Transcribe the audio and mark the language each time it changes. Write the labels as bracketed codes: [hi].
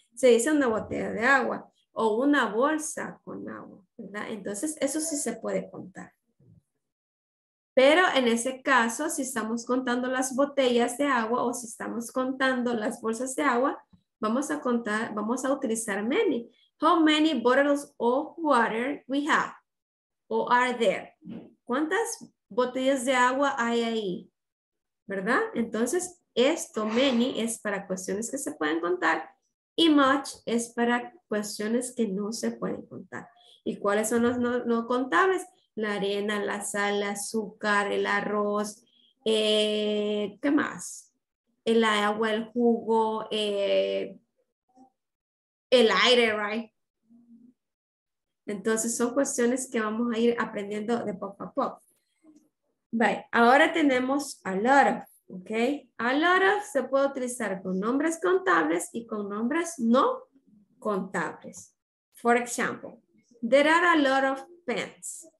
[es] Se dice una botella de agua o una bolsa con agua, ¿verdad? Entonces, eso sí se puede contar. Pero en ese caso, si estamos contando las botellas de agua o si estamos contando las bolsas de agua, vamos a utilizar many. [en] How many bottles of water we have or are there? [es] ¿Cuántas botellas de agua hay ahí? ¿Verdad? Entonces, esto many es para cuestiones que se pueden contar y much es para cuestiones que no se pueden contar. ¿Y cuáles son los no contables? La arena, la sal, el azúcar, el arroz, ¿qué más? El agua, el jugo, el aire, right? Entonces son cuestiones que vamos a ir aprendiendo de poco a poco. Bye. Ahora tenemos a lot of, ¿ok? A lot of se puede utilizar con nombres contables y con nombres no contables. [en] For example, there are a lot of pens.